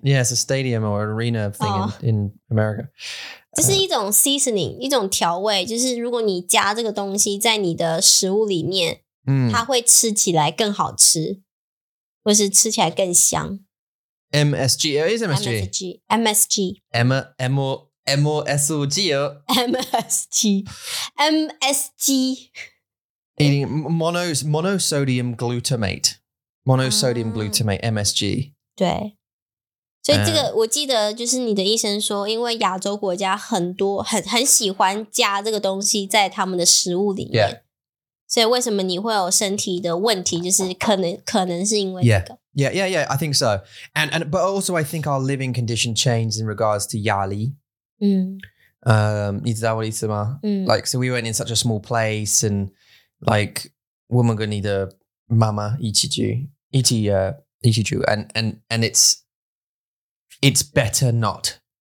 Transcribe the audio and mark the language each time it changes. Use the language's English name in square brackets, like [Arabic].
[English] Yeah, it's a stadium or an arena thing in America [Chinese] 这是一种 seasoning, 一种调味就是如果你加这个东西在你的食物里面它会吃起来更好吃或是吃起来更香 [English] MSG, it is MSG MSG MOSG MSG MSG Eating monosodium glutamate Monosodium glutamate, MSG [Chinese] 对所以这个我记得就是你的医生说因为亚洲国家很多 很喜欢加这个东西在他们的食物里面、 [English] yeah. [Chinese] 所以为什么你会有身体的问题就是可能是因为这个 [English] yeah. yeah, yeah, yeah, I think so. And but also I think our living condition changed in regards to [Chinese] 压力、你知道我的意思吗、 [English] Like, so we went in such a small place and like, [Chinese] 我们跟你的妈妈一起住 [English] and it's better not.